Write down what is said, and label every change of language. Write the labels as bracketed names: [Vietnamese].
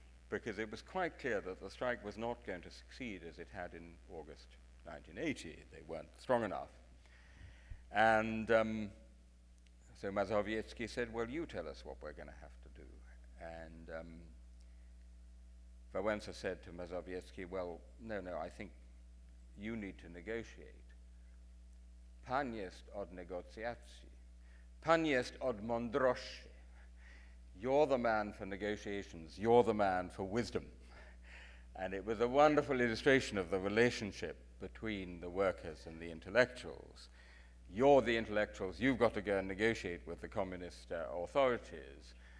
[English] Because it was quite clear that the strike was not going to succeed as it had in August 1980. They weren't strong enough. And so Mazowiecki said, "Well, you tell us what we're going to have to do." And Wałęsa said to Mazowiecki, "Well, no, I think you need to negotiate. [Polish] Pan jest od negocjacji, pan jest od mądrości. [English] You're the man for negotiations, you're the man for wisdom." And it was a wonderful illustration of the relationship between the workers and the intellectuals. You're the intellectuals, you've got to go and negotiate with the communist authorities.